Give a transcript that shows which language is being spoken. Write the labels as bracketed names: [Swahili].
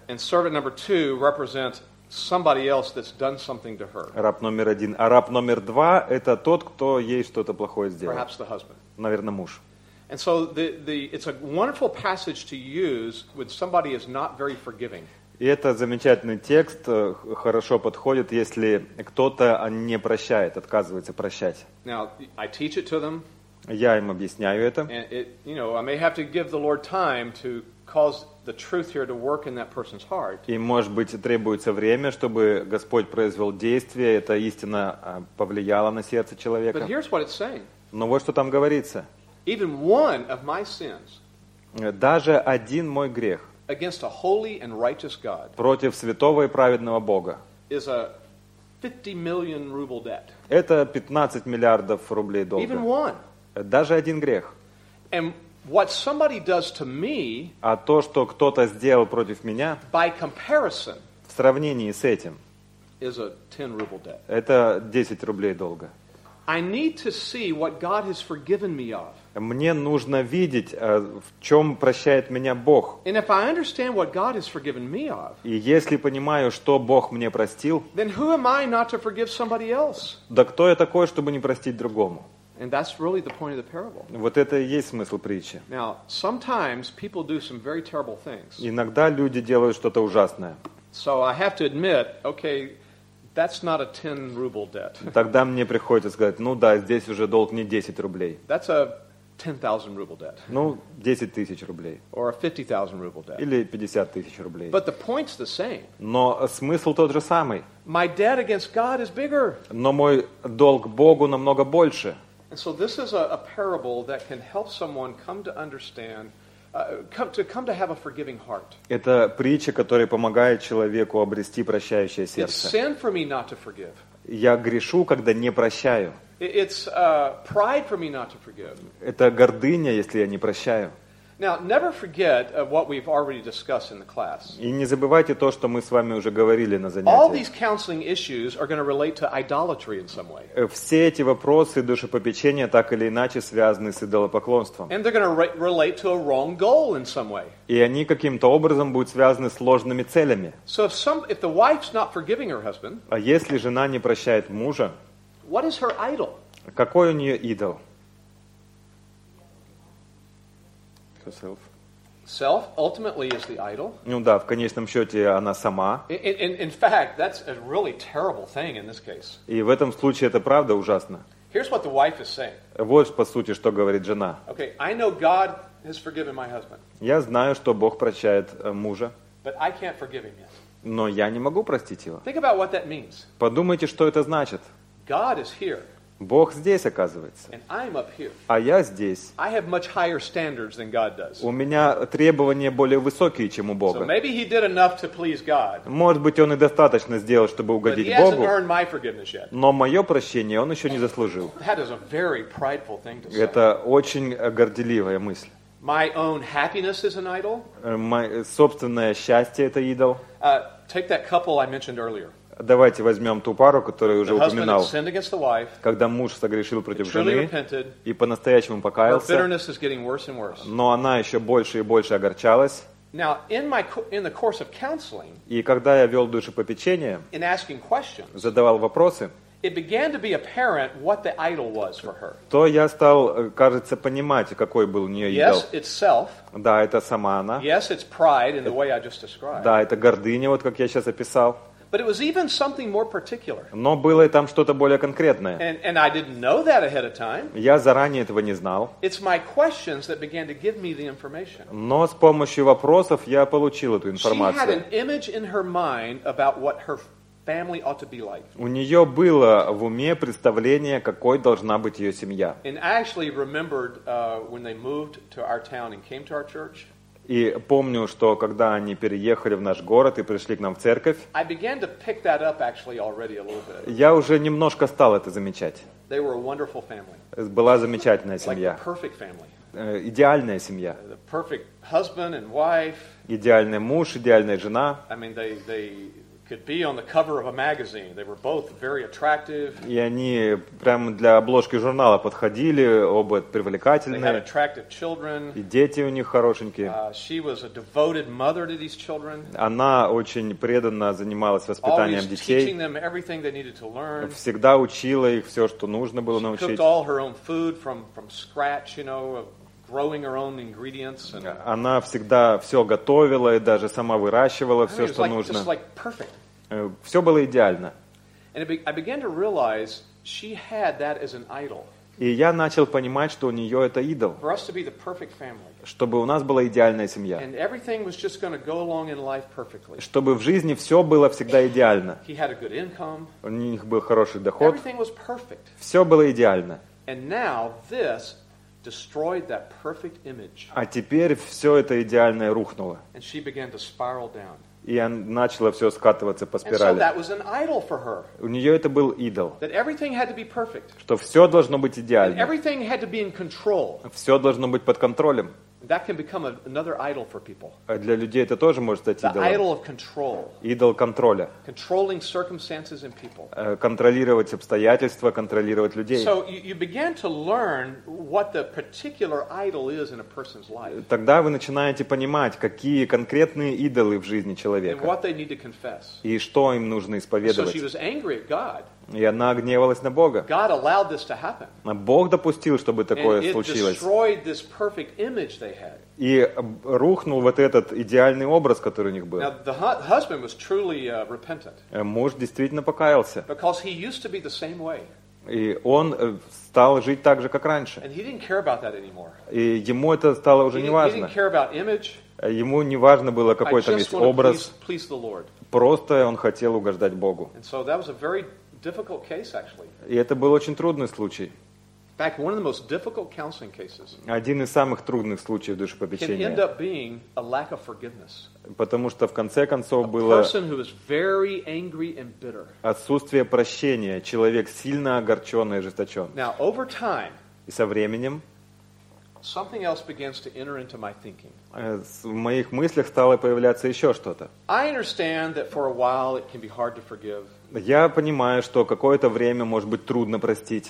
[English] And servant number two represents somebody else that's done something to her. [Russian] Раб номер один. А раб номер два – это тот, кто ей что-то плохое сделал. [English] Perhaps the husband. [Russian] Наверное, муж. [English] And so the it's a wonderful passage to use when somebody is not very forgiving. [Russian] И это замечательный текст, хорошо подходит, если кто-то не прощает, отказывается прощать. [English] Now, I teach it to them. [Russian] Я им объясняю это. [English] And it, you know, I may have to give the Lord time to cause the truth here to work in that person's heart. [Russian] И, может быть, требуется время, чтобы Господь произвел действие, эта истина повлияла на сердце человека. [English] But here's what it's saying. [Russian] Но вот что там говорится. [English] Even one of my sins. [Russian] Даже один мой грех. [English] Against a holy and righteous God. [Russian] Против святого и праведного Бога. [English] Is a 50 million ruble debt. [Russian] Это 15 миллиардов рублей долга. [English] Even one. [Russian] Даже один грех. [English] And what somebody does to me, [Russian] а то, что кто-то сделал против меня, [English] by comparison, [Russian] в сравнении с этим, [English] is a 10 ruble debt. [Russian] Это 10 рублей долга. [English] I need to see what God has forgiven me of. [Russian] Мне нужно видеть, в чем прощает меня Бог. [English] And if I understand what God has forgiven me of, [Russian] и если понимаю, что Бог мне простил, [English] then who am I not to forgive somebody else? [Russian] Да кто я такой, чтобы не простить другому? [English] And that's really the point of the parable. [Russian] Вот это и есть смысл притчи. [English] Now, sometimes people do some very terrible things. [Russian] Иногда люди делают что-то ужасное. [English] So I have to admit, okay, that's not a 10 ruble debt. [Russian] Тогда мне приходится сказать, ну да, здесь уже долг не 10 рублей. [English] That's a 10,000 ruble debt. [Russian] Ну, 10 тысяч рублей. [English] Or a 50,000 ruble debt. [Russian] Или 50 тысяч рублей. [English] But the point's the same. [Russian] Но смысл тот же самый. [English] My debt against God is bigger. [Russian] Но мой долг Богу намного больше. [English] And so this is a parable that can help someone come to understand, come to have a forgiving heart. [Russian] Это притча, которая помогает человеку обрести прощающее сердце. [English] It's sin for me not to forgive. [Russian] Я грешу, когда не прощаю. [English] It's pride for me not to forgive. [Russian] Это гордыня, если я не прощаю. [English] Now, never forget what we've already discussed in the class. [Russian] И не забывайте то, что мы с вами уже говорили на занятии. [English] All these counseling issues are going to relate to idolatry in some way. [Russian] Все эти вопросы душепопечения так или иначе связаны с идолопоклонством. [English] And they're going to relate to a wrong goal in some way. [Russian] И они каким-то образом будут связаны с ложными целями. [English] So if the wife's not forgiving her husband, [Russian] а если жена не прощает мужа, [English] what is her idol? [Russian] Какой у нее идол? [English] Self. Self ultimately is the idol. [Russian] Ну да, в конечном счете она сама. [English] In fact, that's a really terrible thing in this case. [Russian] И в этом случае это правда ужасно. [English] Here's what the wife is saying. [Russian] Вот по сути, что говорит жена. [English] Okay, I know God has forgiven my husband. [Russian] Я знаю, что Бог прощает мужа. [English] But I can't forgive him yet. [Russian] Но я не могу простить его. [English] Think about what that means. [Russian] Подумайте, что это значит. [English] God is here. [Russian] Бог здесь, оказывается. [English] And I'm up here. [Russian] А я здесь. [English] I have much higher standards than God does. [Russian] У меня требования более высокие, чем у Бога. [English] So maybe he did enough to please God. [Russian] Может быть, он и достаточно сделал, чтобы угодить [English] But he [Russian] Богу. [English] Hasn't earned my forgiveness yet. [Russian] Но мое прощение он еще не заслужил. [English] That is a very prideful thing to say. [Russian] Это очень горделивая мысль. [English] My own happiness is an idol. [Russian] Собственное счастье – это идол. [English] Take that couple I mentioned earlier. [Russian] Давайте возьмем ту пару, которую уже упоминал. [English] The husband sinned against the wife, [Russian] когда муж согрешил против жены [English] repented, [Russian] и по-настоящему покаялся, [English] bitterness is getting worse and worse. [Russian] Но она еще больше и больше огорчалась. [English] Now, in the course of counseling, [Russian] и когда я вел душепопечение, [English] in asking questions, [Russian] задавал вопросы, [English] it began to be apparent what the idol was for her. [Russian] То я стал, кажется, понимать, какой был у нее идол. [English] Yes, it's self. [Russian] Да, это сама она. [English] Yes, it's pride in the way I just described. [Russian] Да, это гордыня, вот как я сейчас описал. [English] But it was even something more particular. [Russian] Но было и там что-то более конкретное. [English] And I didn't know that ahead of time. [Russian] Я заранее этого не знал. [English] It's my questions that began to give me the information. [Russian] Но с помощью вопросов я получил эту информацию. [English] She had an image in her mind about what her family ought to be like. [Russian] У нее было в уме представление, какой должна быть ее семья. [English] And I actually remembered when they moved to our town and came to our church. [Russian] И помню, что когда они переехали в наш город и пришли к нам в церковь, [English] I began to pick that up actually already a little bit. [Russian] Я уже немножко стал это замечать. [English] They were a wonderful family. [Russian] Была замечательная семья. [English] Like a perfect family. [Russian] Идеальная семья. [English] The perfect husband and wife. [Russian] Идеальный муж, идеальная жена. [English] I mean, they could be on the cover of a magazine. They were both very attractive. [Russian] И они прямо для обложки журнала подходили, оба привлекательные. [English] They had attractive children. [Russian] И дети у них хорошенькие. [English] She was a devoted mother to these children. [Russian] Она очень преданно занималась воспитанием [English] Always [Russian] детей. [English] Teaching them everything they needed to learn. [Russian] Всегда учила их все, что нужно было [English] She [Russian] научить. [English] Cooked all her own food from scratch, you know. Growing her own ingredients and... [Russian] Она всегда все готовила и даже сама выращивала все, что нужно. [English] Just like perfect. [Russian] Все было идеально. [English] And I began to realize she had that as an idol. [Russian] И я начал понимать, что у нее это идол. [English] For us to be the perfect family. [Russian] Чтобы у нас была идеальная семья. [English] And everything was just going to go along in life perfectly. [Russian] Чтобы в жизни все было всегда идеально. [English] He had a good income. [Russian] У них был хороший доход. [English] Everything was perfect. [Russian] Все было идеально. [English] And now this... destroyed that perfect image. [Russian] А теперь все это идеальное рухнуло. [English] And she began to spiral down. [Russian] И она начала все скатываться по спирали. [English] And so that was an idol for her. [Russian] У нее это был идол. [English] That everything had to be perfect. [Russian] Что все должно быть идеально. [English] And everything had to be in control. [Russian] Все должно быть под контролем. [English] That can become another idol for people. [Russian] А для людей это тоже может стать [English] the [Russian] идолом. [English] The idol of control. [Russian] Идол контроля. [English] Controlling circumstances and people. [Russian] Контролировать обстоятельства, контролировать людей. [English] So you began to learn what the particular idol is in a person's life. [Russian] Тогда вы начинаете понимать, какие конкретные идолы в жизни человека. [English] And what they need to confess. [Russian] И что им нужно исповедовать. [English] So she was angry at God. [Russian] И она гневалась на Бога. [English] God allowed this to happen. [Russian] Бог допустил, чтобы такое случилось. [English] And it destroyed this perfect image they had. [Russian] И рухнул вот этот идеальный образ, который у них был. [English] Now, the husband was truly repentant. [Russian] Муж действительно покаялся. [English] Because he used to be the same way. [Russian] И он стал жить так же, как раньше. [English] And he didn't care about that anymore. [Russian] И ему это стало уже не важно. [English] He didn't care about image. [Russian] Ему не важно было, какой там есть образ. [English] Please the Lord. [Russian] Просто он хотел угождать Богу. [English] And so that was a very difficult case, actually. [Russian] И это был очень трудный случай. [English] In fact, one of the most difficult counseling cases. [Russian] Один из самых трудных случаев душепопечения. [English] Can end up being a lack of forgiveness. [Russian] Потому что в конце концов было. [English] A person who is very angry and bitter. [Russian] Отсутствие прощения. Человек сильно огорчен и ожесточен. [English] Now, over time. [Russian] И со временем. [English] Something else begins to enter into my thinking. [Russian] В моих мыслях стало появляться еще что-то. [English] I understand that for a while it can be hard to forgive. [Russian] Я понимаю, что какое-то время может быть трудно простить.